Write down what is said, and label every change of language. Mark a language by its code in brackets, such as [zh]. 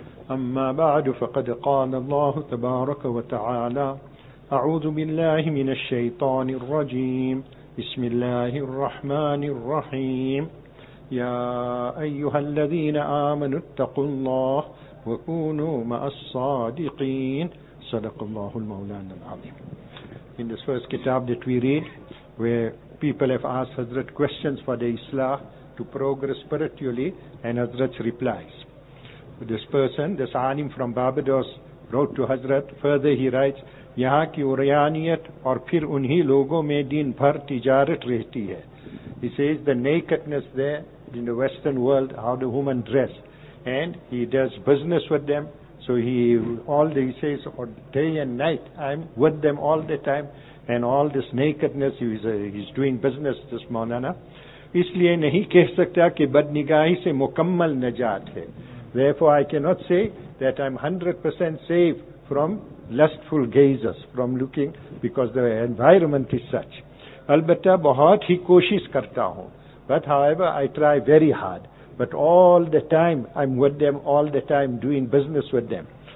[ar] أما بعد, فقد قال الله تبارك وتعالى, أعوذ بالله من الشيطان الرجيم, بسم الله الرحمن الرحيم. يا أيها الذين آمنوا اتقوا الله وكونوا مع الصادقين. صدق الله المولانا العظيم. [en] In this first kitab that we read, where people have asked Hazrat questions for the Islah, to progress spiritually, and Hazrat replies. This person, this alim from Barbados, wrote to Hazrat. Further he writes, [ur] یہاں کی اوریانیت اور پھر انہی لوگوں میں دین بھر تجارت رہتی ہے. [en] He says the nakedness there in the western world, how the woman dress, and he does business with them. So he says day and night I'm with them all the time, and all this nakedness, he's doing business, this Maulana. [ur] اس لیے نہیں کہہ سکتا کہ بدنگاہی سے مکمل نجات ہے. [en] Therefore I cannot say that I'm 100% safe from lustful gazes, from looking, because the environment is such. [ur] Albatta bahut hi koshish karta hu, [en] but however I try very hard, but all the time I'm with them, all the time doing business with them.